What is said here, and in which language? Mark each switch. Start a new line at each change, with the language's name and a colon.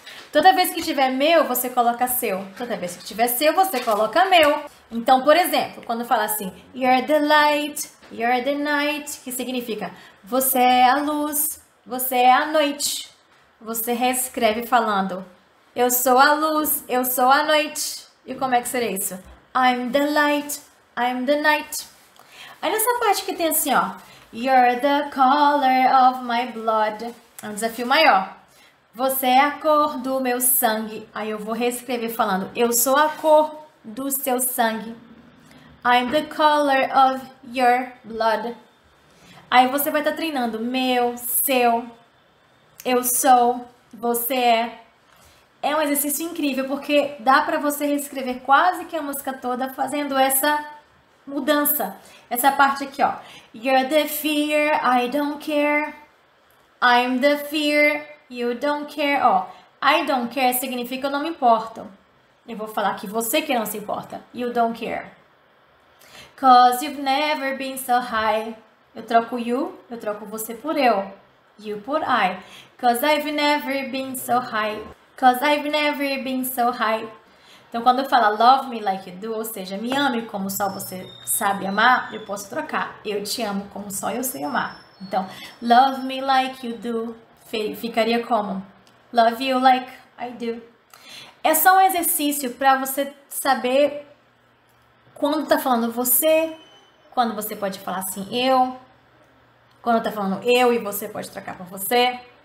Portuguese: Toda vez que tiver meu, você coloca seu. Toda vez que tiver seu, você coloca meu. Então, por exemplo, quando fala assim,
English: you're the light, you're the night,
Portuguese: que significa você é a luz, você é a noite. Você reescreve falando, eu sou a luz, eu sou a noite. E como é que seria isso?
English: I'm the light, I'm the night.
Portuguese: Aí nessa parte que tem assim, ó,
English: you're the color of my blood.
Portuguese: É um desafio maior. Você é a cor do meu sangue. Aí eu vou reescrever falando, eu sou a cor do seu sangue.
English: I'm the color of your blood.
Portuguese: Aí você vai estar treinando, meu, seu, eu sou, você é. É um exercício incrível, porque dá para você reescrever quase que a música toda fazendo essa mudança. Essa parte aqui, ó.
English: You're the fear, I don't care. I'm the fear, you don't care.
Portuguese: Ó,
English: I don't care
Portuguese: significa eu não me importo. Eu vou falar que você que não se importa.
English: You don't care. Cause you've never been so high.
Portuguese: Eu troco eu troco você por eu. You por I.
English: Cause I've never been so high. Cause I've never been so high.
Portuguese: Então, quando eu falo
English: love me like you do,
Portuguese: ou seja, me ame como só você sabe amar, eu posso trocar. Eu te amo como só eu sei amar. Então,
English: love me like you do,
Portuguese: ficaria como?
English: Love you like I do.
Portuguese: É só um exercício para você saber quando tá falando você, quando você pode falar assim eu, quando tá falando eu e você pode trocar por você.